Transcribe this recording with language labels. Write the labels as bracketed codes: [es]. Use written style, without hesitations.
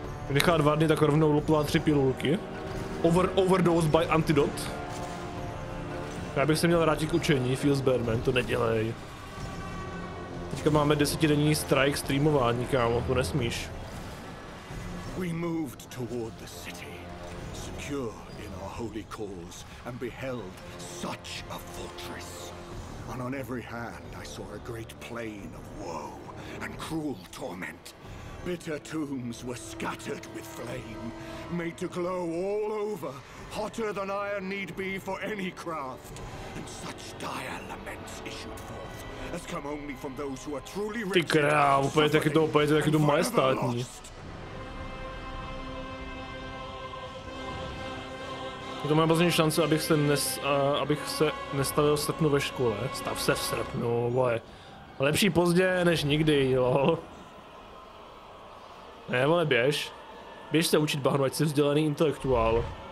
[cs] Nechá dva dny, tak rovnou lopla tři pilulky. [en] Overdose by antidote. [cs] Já bych se měl vrátit k učení, [en] feels bad man, [cs] to nedělej. Teďka máme desetidenní strike streamování, kámo, to nesmíš. [en] We moved toward the city, secure in our holy cause, and beheld such a fortress. And on every hand I saw a great plain of woe and cruel torment. Bitter tombs were scattered with flame, made to glow all over, hotter than iron need be for any craft. And such dire laments issued forth as come only from those who are truly wretched and suffering. [cs] To mám poslední šance, abych se nestavil v srpnu ve škole. Stav se v srpnu, vole. Lepší pozdě než nikdy, lol. Ne, vole, běž. Běž se učit bahnu, ať jsi vzdělaný intelektuál.